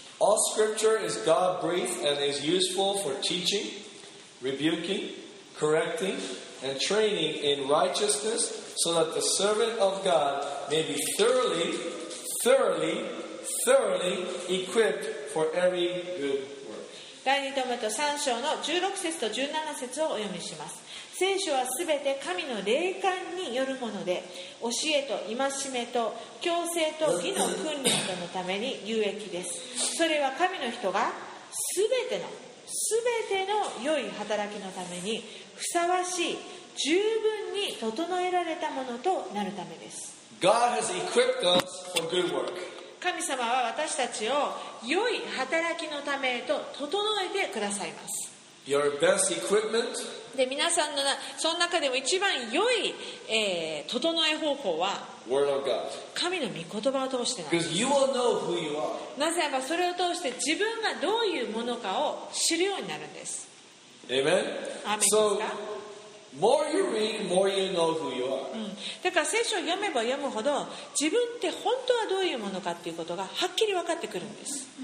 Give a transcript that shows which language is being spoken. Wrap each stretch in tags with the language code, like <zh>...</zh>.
<en>All scripture is God-breathed and is useful for teaching. Rebuking, correcting, and training in righteousness, so that the servant of God may be thoroughly, thoroughly, thoroughly equipped for every good work.</en> <ja>第二テモテ三章の十六節と十七節をお読みします。聖書はすべて神の霊感によるもので、教えと戒めと教制と義の訓練とのために有益です。それは神の人がすべての全ての良い働きのためにふさわしい十分に整えられたものとなるためです。</ja> <en>God has equipped us for good work.</en> <ja>神様は私たちを良い働きのためと整えてくださいます。</ja> <en>Your best equipment.</en> <ja>で皆さんのその中でも一番良い、整え方法は</ja> <en>Word of God.</en> <ja>神の御言葉を通してなんです。</ja> <en>Because you will know who you are.</en> <ja>なぜならばそれを通して自分がどういうものかを知るようになるんです。</ja> <en>Amen. So, more you read, more you know who you are.</en> <ja>だから聖書を読めば読むほど自分って本当はどういうものかっていうことがはっきり分かってくるんです。</ja>